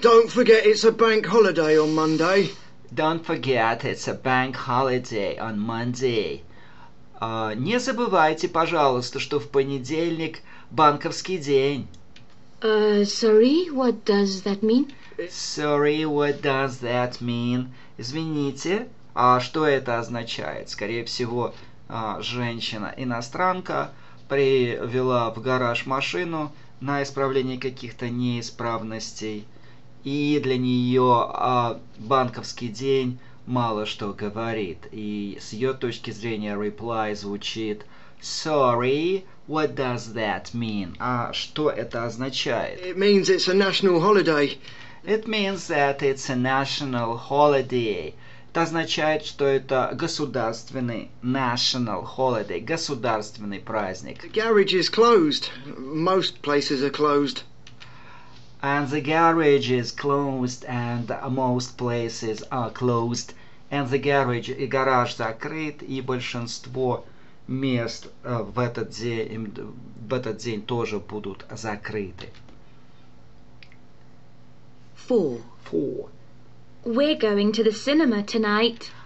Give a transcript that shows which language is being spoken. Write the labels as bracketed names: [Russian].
[English] Don't forget it's a bank holiday on Monday. Don't forget it's a bank holiday on Monday. [Russian] Не забывайте, пожалуйста, что в понедельник банковский день. [English] Sorry, what does that mean? Sorry, what does that mean? [Russian] Извините. А что это означает? Скорее всего, женщина-иностранка привела в гараж машину на исправление каких-то неисправностей, и для нее банковский день мало что говорит. И с ее точки зрения reply звучит [English] «Sorry, what does that mean?» [Russian] А что это означает? [English] It means it's a national holiday. It means that it's a national holiday. [Russian] Это означает, что это государственный [English] national holiday, [Russian] государственный праздник. [English] The garage is closed. Most places are closed. And the garage is closed, and most places are closed. And the garage, [Russian] и гараж закрыт, и большинство мест в этот день тоже будут закрыты. [English] Four. We're going to the cinema tonight.